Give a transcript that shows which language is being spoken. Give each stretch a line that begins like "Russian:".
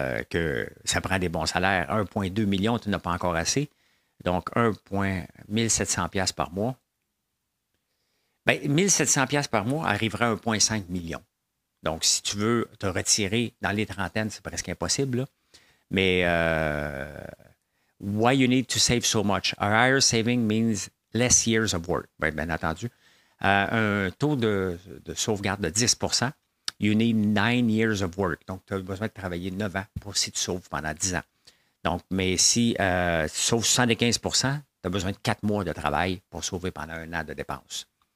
French: que ça prend des bons salaires. 1,2 million, tu n'as pas encore assez. Donc, 1,700 $ par mois. Bien, 1,700 $ par mois arrivera à 1,5 million. Donc, si tu veux te retirer dans les trentaines, c'est presque impossible. Là.
English: Mais, why you need to save so much? A higher saving means less years of work.
French: Bien, bien entendu. Un taux de sauvegarde de 10 %.
English: You need 9 years of work.
French: Donc, tu as besoin de travailler 9 ans pour si tu sauves pendant 10 ans. Donc, mais si tu sauves 75 %, tu as besoin de 4 mois de travail pour sauver pendant un an de dépenses.